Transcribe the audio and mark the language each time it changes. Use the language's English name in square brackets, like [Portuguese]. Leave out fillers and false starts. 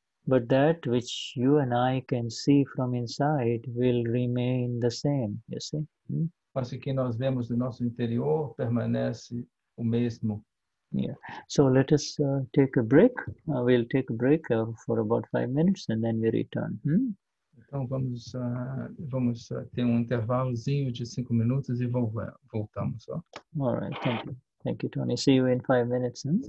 [English] But that which you and I can see from inside will remain the same, you see. [Portuguese] Mas o que nós vemos do nosso interior permanece o mesmo. [English] Yeah. So let us take a break. We'll take a break for about 5 minutes and then we return. [Portuguese] Então vamos ter um intervalozinho de 5 minutos e voltamos. Ó. [English] All right. Thank you. Thank you, Tony. See you in 5 minutes.